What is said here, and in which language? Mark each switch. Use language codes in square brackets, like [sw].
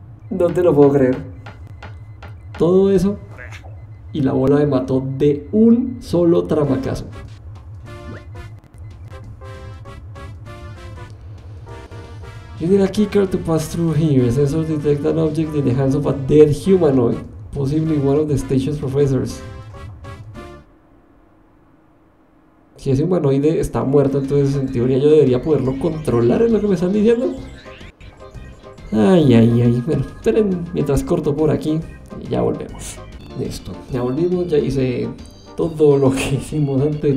[es] No te lo puedo creer. Todo eso y la bola me mató de un solo tramacazo. [en] You need a keycard to pass through here. Sensors detect an object in the hands of a dead humanoid, possibly one of the station's professors. [es] Si ese humanoide está muerto, entonces en teoría yo debería poderlo controlar, es lo que me están diciendo. Ay, ay, ay. Bueno, esperen mientras corto por aquí y ya volvemos. Listo, ya volvimos, ya hice todo lo que hicimos antes.